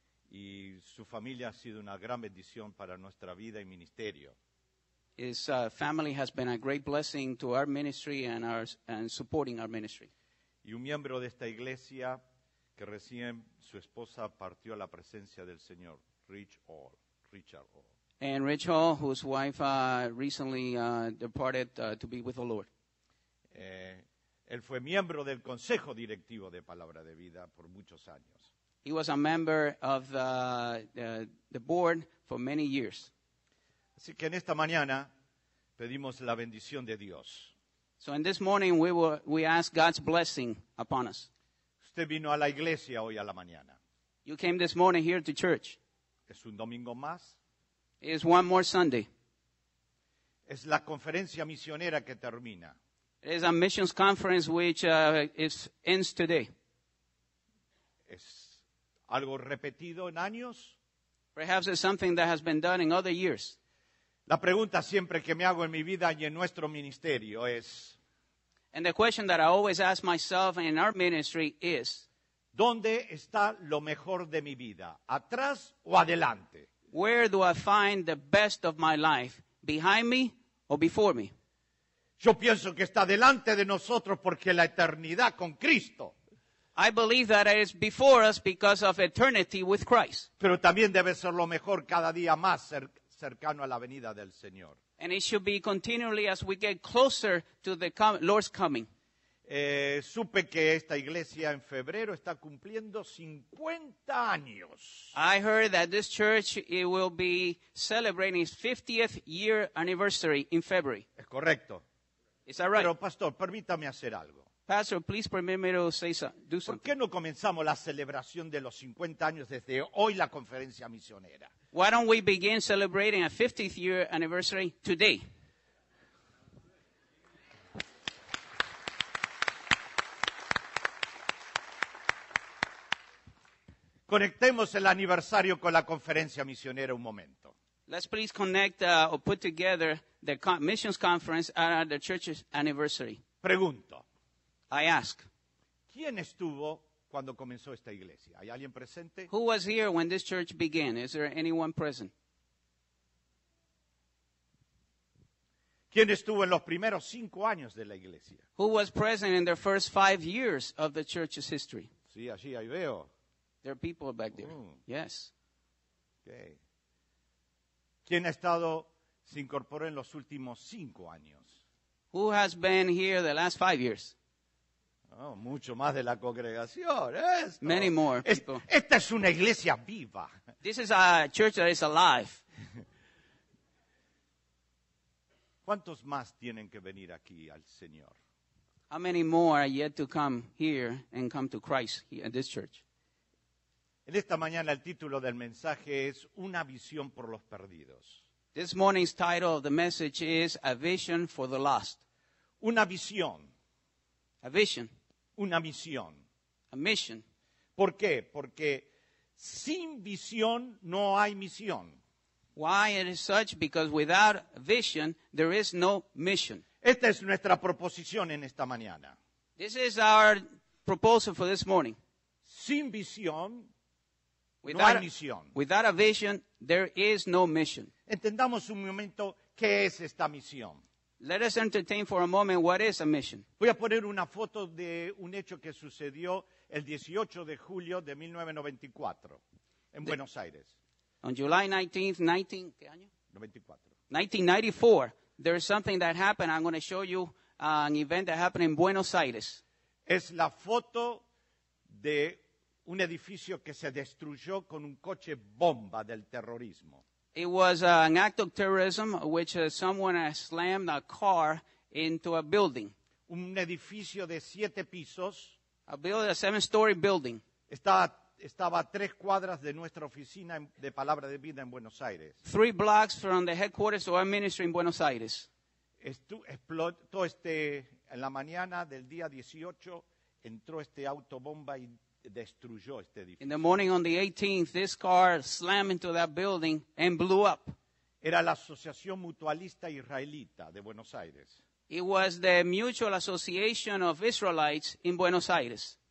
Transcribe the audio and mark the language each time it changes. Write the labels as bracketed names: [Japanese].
[Spanish] Y su familia ha sido una gran bendición para nuestra vida y ministerio. [English] His family has been a great blessing to our ministry and our and supporting our ministry. [Spanish] Y un miembro de esta iglesia que recién su esposa partió a la presencia del Señor, Richard Hall. [English] And Rich Hall, whose wife recently departed to be with the Lord. [Spanish] Él fue miembro del consejo directivo de Palabra de Vida por muchos años. [English] He was a member of the board for many years. [Spanish] Así que en esta mañana pedimos la bendición de Dios. [English] So in this morning we ask God's blessing upon us. [Spanish] Usted vino a la iglesia hoy a la mañana. [English] You came this morning here to church. [Spanish] Es un domingo más. [English] It is one more Sunday. [Spanish] Es la conferencia misionera que termina. [English] It is a missions conference which ends today. [Spanish] Es algo repetido en años. [English] Perhaps it's something that has been done in other years. [Spanish] La pregunta siempre que me hago en mi vida y en nuestro ministerio es... [English] And the question that I always ask myself in our ministry is, [Spanish] ¿dónde está lo mejor de mi vida? ¿Atrás o adelante? [English] Where do I find the best of my life? ¿Behind me or before me? [Spanish] Yo pienso que está delante de nosotros porque la eternidad con Cristo. [English] I believe that it is before us because of eternity with Christ. [Spanish] Pero también debe ser lo mejor cada día más cercano a la venida del Señor. [English] And it should be continually as we get closer to the Lord's coming. [Spanish] Supe que esta iglesia en febrero está cumpliendo 50 años. [English] I heard that this church it will be celebrating its 50th year anniversary in February. [Spanish] Es correcto. [English] Is that right? [Spanish] Pero pastor, permítame hacer algo. [English] Pastor, please permit me to say something. [Spanish] ¿Por qué no comenzamos la celebración de los 50 años desde hoy la conferencia misionera? [English] Why don't we begin celebrating a 50th year anniversary today? [Spanish] Conectemos el aniversario con la conferencia misionera un momento. [English] Let's please connect or put together the missions conference at the church's anniversary. [Spanish] Pregunto. [English] I ask. [Spanish] ¿Quién estuvo cuando comenzó esta iglesia? ¿Hay alguien presente? [English] Who was here when this church began? Is there anyone present? [Spanish] ¿Quién estuvo en los primeros cinco años de la iglesia? [English] Who was present in the first 5 years of the church's history? [Spanish] Sí, allí ahí veo. [English] There are people back there. Yes. Okay. [Spanish] ¿Quién ha estado, se incorporó en los últimos cinco años? [English] Who has been here the last 5 years? [Spanish] Oh, mucho más de la congregación. Esto. [English] Many more people. [Spanish] Esta es una iglesia viva. [English] This is a church that is alive. [Spanish] ¿Cuántos más tienen que venir aquí al Señor? [English] How many more are yet to come here and come to Christ here at this church? [Spanish] En esta mañana el título del mensaje es Una visión por los perdidos. [English] This morning's title of the message is A Vision for the Lost. [Spanish] Una visión. [English] A vision. [Spanish] Una misión. [English] A mission. [Spanish] ¿Por qué? Porque sin visión no hay misión. [English] Why it is such? Because without vision, there is no mission. [Spanish] Esta es nuestra proposición en esta mañana. [English] This is our proposal for this morning. [Spanish] Sin visión, no hay misión. [English] Without a vision, there is no mission. [Spanish] Entendamos un momento qué es esta misión. [English] Let us entertain for a moment what is a mission. [Spanish] Voy a poner una foto de un hecho que sucedió el 18 de julio de 1994 en Buenos Aires. [English] On July 19th, 19, [Spanish] ¿qué año? [English] 94. 1994, there is something that happened. I'm going to show you an event that happened in Buenos Aires. [Spanish] Es la foto de un edificio que se destruyó con un coche bomba del terrorismo. [English] It was an act of terrorism which someone slammed a car into a building. [Spanish] Un edificio de siete pisos. [English] A seven-story building. [Spanish] Estaba a tres cuadras de nuestra oficina de Palabra de Vida en Buenos Aires. [English] Three blocks from the headquarters of our ministry in Buenos Aires. [Spanish] Explotó en la mañana del día 18, entró este autobomba y destruyó este edificio. [English] In the morning on the 18th, this car slammed into that building and blew up. [Spanish] Era la Asociación Mutualista Israelita de Buenos Aires. [English] It was the Mutual Association of Israelites in Buenos Aires.